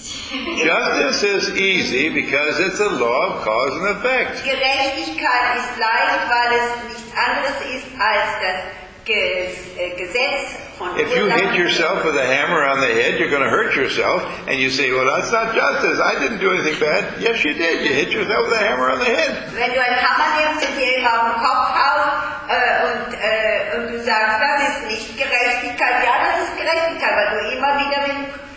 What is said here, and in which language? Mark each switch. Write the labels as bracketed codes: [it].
[en] Justice is easy because it's a law of cause and effect. [de] Gerechtigkeit ist leicht, weil es nichts anderes ist als das Gesetz von. [en] If you hit yourself with a hammer on the head, you're going to hurt yourself, and you say, "Well, that's not justice. I didn't do anything bad." Yes, you did. You hit yourself with a hammer on the head. [de] Wenn du einen Hammer nimmst und dir auf den Kopf haust und du sagst, das ist nicht Gerechtigkeit, ja, das ist Gerechtigkeit, weil du immer wieder mit